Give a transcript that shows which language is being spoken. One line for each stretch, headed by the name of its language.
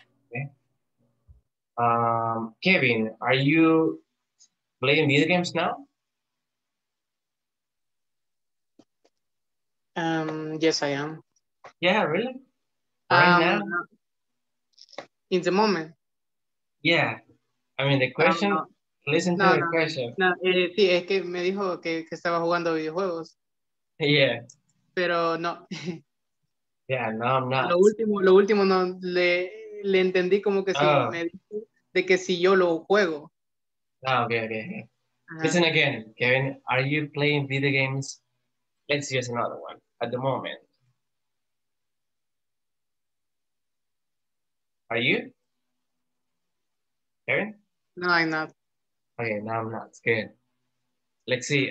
English: Okay. Kevin, are you playing video games now? Yes, I am. Yeah, really? Right now? In the moment. Yeah. I mean, the question, listen to the question.
Spanish: No, sí, es que me dijo que estaba jugando videojuegos.
English: Yeah.
Spanish: Pero no.
English: Yeah, no, I'm not.
Spanish: Lo último no, le entendí como que sí, me dijo de que si yo lo juego.
English: Oh, okay. Uh-huh. Listen again, Kevin, are you playing video games? Let's use another one, at the moment. Are you? Karen? No, I'm not. Okay, no, I'm not. Good. Let's see.